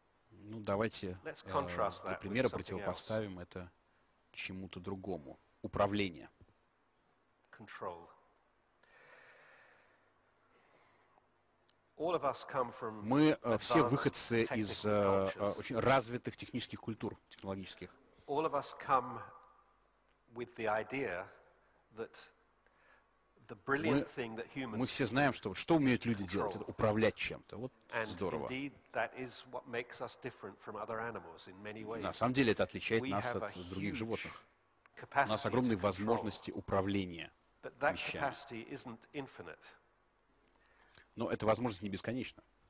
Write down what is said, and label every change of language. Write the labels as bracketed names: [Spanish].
[Russian] ну, давайте для примера противопоставим это чему-то другому. Управление. [English] Control. All of us come from advanced. [Russian] Мы все выходцы из очень развитых технических культур, технологических. [English] All of us come with the idea that the brilliant thing that humans. [Russian] Мы все знаем, что что умеют люди делать, это управлять чем-то. Вот здорово. [English] And indeed, that is what makes us different from other animals in many ways. [Russian] На самом деле, это отличает нас от других животных. У нас огромные возможности управления вещами. [English] But that capacity isn't infinite. [Russian] Но эта возможность не бесконечна.